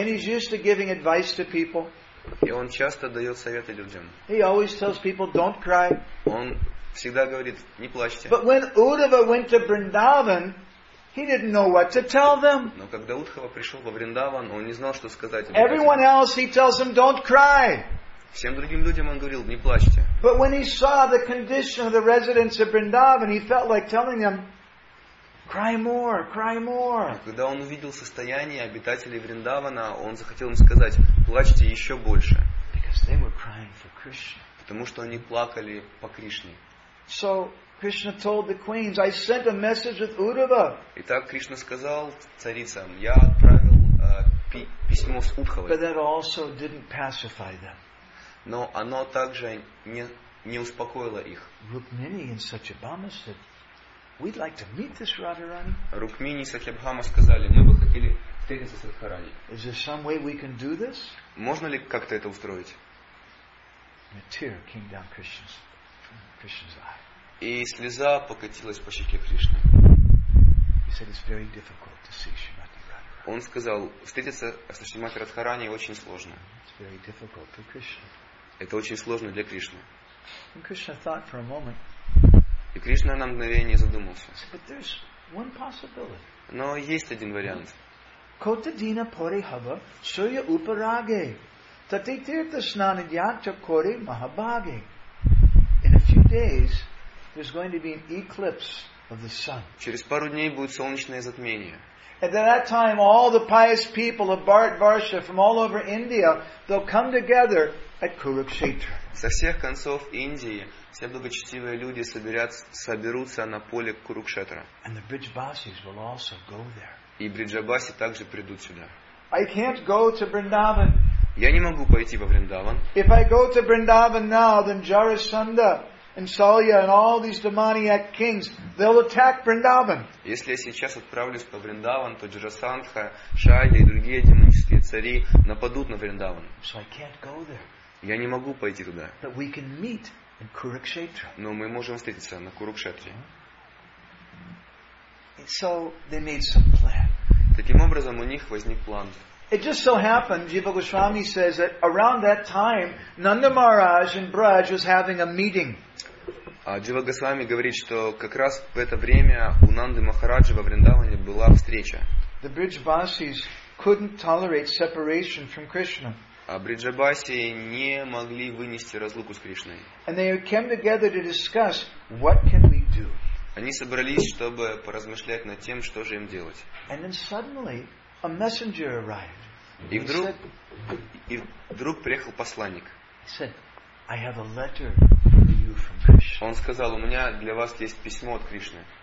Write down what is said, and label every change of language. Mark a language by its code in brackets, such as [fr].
[en] And he's used to giving advice to people. [ru] И он часто дает советы людям. [en] He always tells people, don't cry. [ru] Он всегда говорит, не плачьте. [en] But when Uddhava went to Vrindavan, he didn't know what to tell them. [ru] Но когда Удхава пришел во Вриндаван, он не знал, что сказать. [en] Everyone else, he tells them, don't cry. [ru] Всем другим людям он говорил, не плачьте. [en] But when he saw the condition of the residents of Vrindavan, he felt like telling them, cry more, cry more. [ru] Когда он увидел состояние обитателей Вриндавана, он захотел им сказать, плачьте еще больше. [en] Because they were crying for Krishna. [ru] Потому что они плакали по Кришне. [en] So Krishna told the queens, I sent a message with Uddhava. [ru] Итак, Кришна сказал царицам, я отправил письмо с Удхавой. [en] But that also didn't pacify them. [ru] Но оно также не успокоило их. [en] Rukmini and Satyabhama said, we'd like to meet this Radharani. [ru] Rukmini и Satyabhama сказали, мы бы хотели встретиться с Радхарани. [en] Is there some way we can do this? [ru] Можно ли как-то это устроить? [en] A tear came down Krishna's eye. [ru] И слеза покатилась по щеке Кришны. [en] He said it's very difficult to see Shrimati Radharani. [ru] Он сказал, встретиться с Шримати Радхарани очень сложно. [en] It's very difficult for Krishna. [ru] Это очень сложно для Кришны. [en] And Krishna thought for a moment. [ru] И Кришна на мгновение задумался. [en] He said, but there's one possibility. [ru] Но есть один вариант. [bn] Kota dina porihava surya uparage. [en] In a few days, there's going to be an eclipse of the sun. [ru] Через пару дней будет солнечное затмение. [en] And at that time, all the pious people of Bharat Varsha from all over India, they'll come together at Kurukshetra. [ru] Со всех концов Индии все благочестивые люди соберутся на поле Курукшетра. [en] And the Бриджабасис will also go there. [ru] И Бриджабаси также придут сюда. [en] I can't go to Vrindavan. [ru] Я не могу пойти во Вриндаван. [en] If I go to Vrindavan now, then Jarasandha and Salya and all these demoniac kings, they'll attack Vrindavan. [ru] Если я сейчас отправлюсь по Вриндаван, то Джарасандха, Шалья и другие демонические цари нападут на Вриндаван. [en] So I can't go there. [ru] Я не могу пойти туда. [en] But we can meet in Kurukshetra. [ru] Но мы можем встретиться на Курукшетре. [en] So they made some plan. [ru] Таким образом у них возник план. [en] It just so happened, Jiva Goswami says that around that time, Nanda Maharaj in Braj was having a meeting. [ru] Jiva Goswami говорит, что как раз в это время у Нанды Махараджи во Вриндаване была встреча. [en] The Brijabasis couldn't tolerate separation from Krishna. [ru] А Бриджабаси не могли вынести разлуку с Кришной. [en] And they came together to discuss what can we do. [ru] Они собрались, чтобы поразмышлять над тем, что же им делать. [en] And then suddenly, a messenger arrived. [ru] И вдруг приехал посланник. [en] He said, "I have a letter for you." you from Krishna. [ru] Он сказал, у меня для вас есть письмо от Кришны.